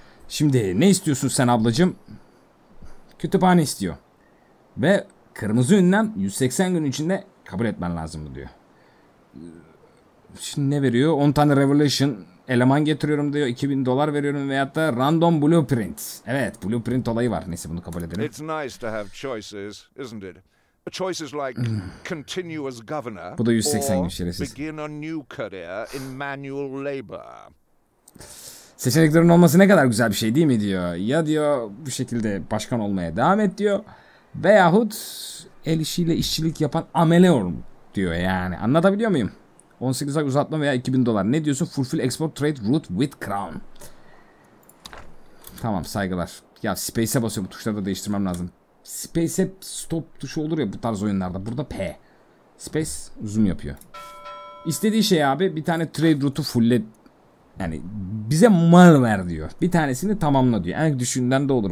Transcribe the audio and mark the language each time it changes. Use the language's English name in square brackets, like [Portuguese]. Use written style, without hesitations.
[Turkish] Şimdi ne istiyorsun sen ablacığım? Kütüphane istiyor. Ve kırmızı ünlem 180 gün içinde kabul etmen lazım mı diyor. Şimdi ne veriyor? 10 tane revolution eleman getiriyorum diyor. 2000 dolar veriyorum veyahut da random blueprint. Evet, blueprint olayı var. Neyse bunu kabul edelim. [English] It's nice to have choices, isn't it? Choices like continuous governor. [Turkish] Bu da 180 gün şerefsiz. [English] Begin a new career in manual labor. [Turkish] Seçeneklerin olması ne kadar güzel bir şey değil mi diyor. Ya diyor bu şekilde başkan olmaya devam et diyor. Veyahut el işiyle işçilik yapan ameleon diyor yani. Anlatabiliyor muyum? 18 ay uzatma veya 2000 dolar. Ne diyorsun? [English] Fulfill export trade route with crown. [Turkish] Tamam saygılar. Ya space'e basıyorum. Tuşları da değiştirmem lazım. Space'e stop tuşu olur ya bu tarz oyunlarda. Burada P. Space zoom yapıyor. İstediği şey abi bir tane trade route'u fulle. Yani bize mal ver diyor. Bir tanesini tamamla diyor. En düşüğünden de olur.